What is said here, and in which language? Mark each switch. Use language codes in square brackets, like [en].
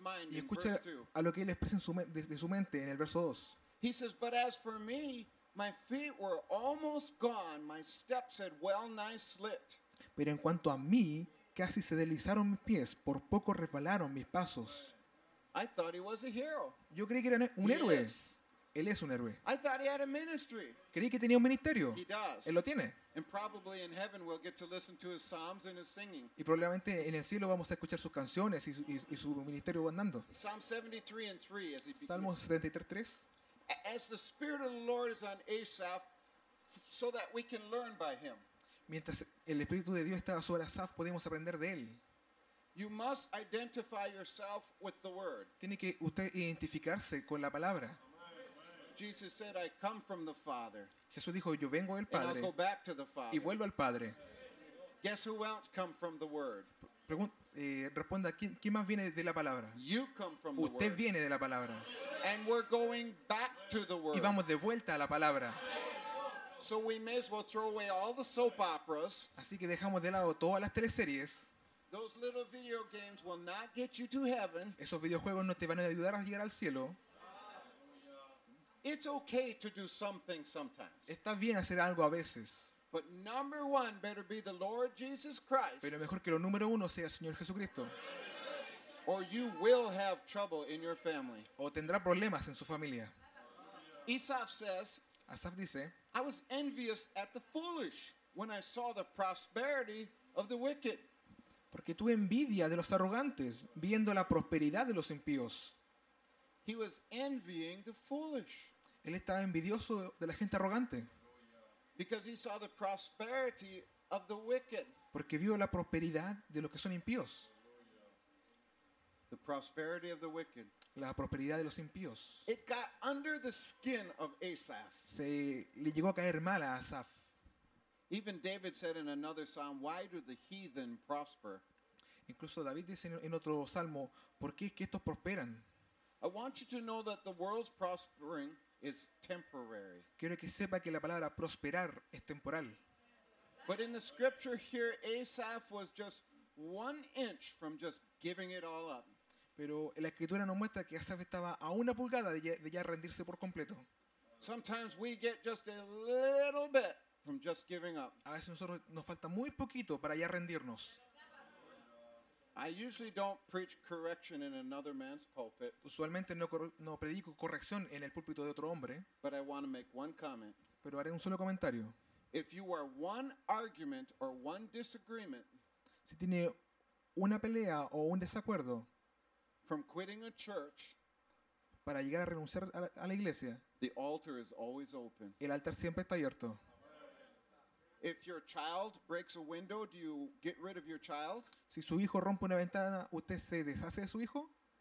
[es] Y escucha a lo que él expresa de su mente en el verso 2. [en] He says, but as for me, my feet were almost gone, my steps had well nigh slipped. [es] Pero en cuanto a mí, Casi se deslizaron mis pies, por poco resbalaron mis pasos. [en] I thought he was a hero. [es] Yo creí que era un héroe. Él es un héroe. [en] I thought he had a ministry. [es] Creí que tenía un ministerio. [en] He does. [es] Él lo tiene. [en] And probably in heaven we'll get to listen to his psalms and his singing. [es] Y probablemente en el cielo vamos a escuchar sus canciones y su ministerio andando. [en] Psalm 73 and 3 as he begins. [es] Salmo 73:3. [en] As the spirit of the Lord is on Asaph, so that we can learn by him. [es] Mientras el espíritu de Dios estaba sobre Asaph, podemos aprender de él. [en] You must identify yourself with the word. [es] Tiene que usted identificarse con la palabra. [en] Jesus said, "I come from the Father." [es] Jesús dijo, yo vengo del Padre. [en] And I'll go back to the Father. [es] Y vuelvo al Padre. [en] Guess who else come from the Word? [es] Responda, ¿quién más viene de la palabra? [en] You come from [es] usted [en] the Word. [es] Viene de la palabra. [en] And we're going back to the Word. [es] Y vamos de vuelta a la palabra. [en] So we may as well throw away all the soap operas. [es] Así que dejamos de lado todas las teleseries. [en] Those little video games will not get you to heaven. [es] Esos videojuegos no te van a ayudar a llegar al cielo. [en] It's okay to do something sometimes. [es] Está bien hacer algo a veces. [en] But number one better be the Lord Jesus Christ. [es] Pero mejor que lo número uno sea el Señor Jesucristo. [en] Or you will have trouble in your family. [es] O tendrá problemas en su familia. [en] Esaf says, [es] Asaf dice, [en] I was envious at the foolish when I saw the prosperity of the wicked. [es] Porque tuve envidia de los arrogantes viendo la prosperidad de los impíos. [en] He was envying the foolish. [es] Él estaba envidioso de la gente arrogante. [en] Because he saw the prosperity of the wicked. [es] Porque vio la prosperidad de los que son impíos. [en] The prosperity of the wicked. [es] La prosperidad de los impíos. [en] It got under the skin of Asaph. [es] Se le llegó a caer mal a Asaph. [en] Even David said in another psalm, "Why do the heathen prosper?" [es] Incluso David dice en otro salmo, ¿por qué es que estos prosperan? [en] I want you to know that the world's prospering is temporary. [es] Quiero que sepa que la palabra prosperar es temporal. [en] But in the scripture here, Asaph was just one inch from just giving it all up. [es] Pero la escritura nos muestra que Asaph estaba a una pulgada de ya rendirse por completo. [en] Sometimes we get just a little bit from just giving up. [es] A veces nosotros nos falta muy poquito para ya rendirnos. [en] I usually don't preach correction in another man's pulpit. [es] Usualmente no predico corrección en el púlpito de otro hombre. [en] But I want to make one comment. [es] Pero haré un solo comentario. [en] If you are one argument or one disagreement, [es] si tiene una pelea o un desacuerdo, [en] from quitting a church, [es] para llegar a renunciar a la iglesia, [en] the altar is always open. [es] El altar siempre está abierto. [en] If your child breaks a window, do you get rid of your child? [es] Si su hijo rompe una ventana, ¿usted se deshace de su hijo?